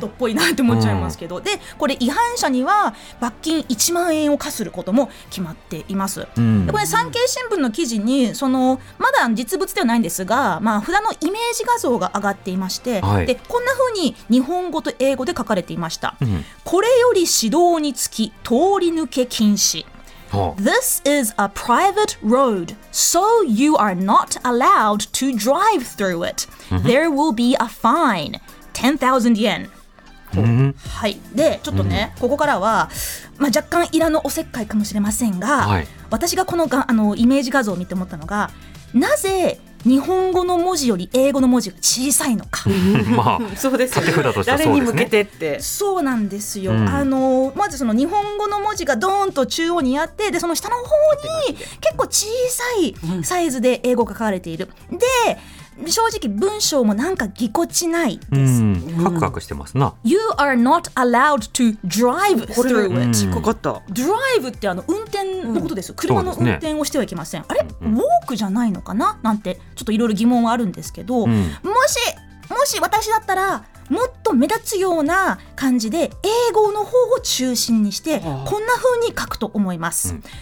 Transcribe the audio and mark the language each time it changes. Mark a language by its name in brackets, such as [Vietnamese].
[Japanese] 京都っぽいなって思っちゃいますけど、うん、でこれ違反者には罰金1万円を課することも決まっています。うん、これ産経新聞の記事にそのまだ実物ではないんですが、まあ、札のイメージ画像が上がっていまして、はい、でこんな風に日本語と英語で書かれていました。うん、これより指導につき通り抜け禁止。 [English] This is a private road, so you are not allowed to drive through it. There will be a fine, 10,000 yen. [Japanese] はい、でちょっとね、ここからは、まあ、若干イラのおせっかいかもしれませんが、はい、私がこの、あのイメージ画像を見て思ったのが、なぜ日本語の文字より英語の文字が小さいのか。まあ、そうですね。誰に向けてって。そうなんですよ。うん、あのまずその日本語の文字がドーンと中央にあって、でその下の方に結構小さいサイズで英語が書かれている。うん、で正直文章もなんかぎこちないです。うん、カクカクしてますな。 [English] You are not allowed to drive through it。 [Japanese] これ、かかった。 Drive ってあの運転のことです、うん。車の運転をしてはいけません。ね、あれ、ウォークじゃないのかななんてちょっといろいろ疑問はあるんですけど、うん、もし私だったらもっと目立つような感じで英語の方を中心にしてこんな風に書くと思います。